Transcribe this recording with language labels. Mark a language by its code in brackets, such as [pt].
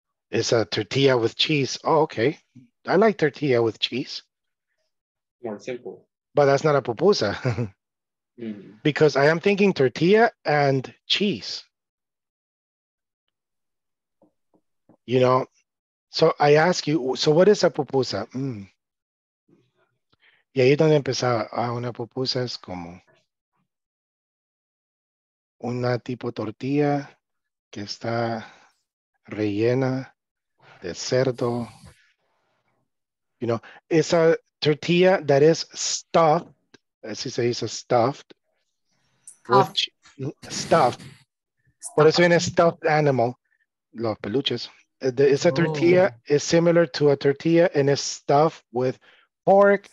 [en] It's a tortilla with cheese. Oh, okay. I like tortilla with cheese. More simple. But that's not a pupusa. Because I am thinking tortilla and cheese. You know, so I ask you, so what is a pupusa? Mm. [es] Y ahí donde empezaba, una pupusa es como una tipo tortilla que está rellena de cerdo. [en] You know, it's a tortilla that is stuffed, [es] así se dice, [en] stuffed. [es] Por eso viene [en] stuffed animal, [es] los peluches. [en] It's a tortilla, is similar to a tortilla, and it's stuffed with pork.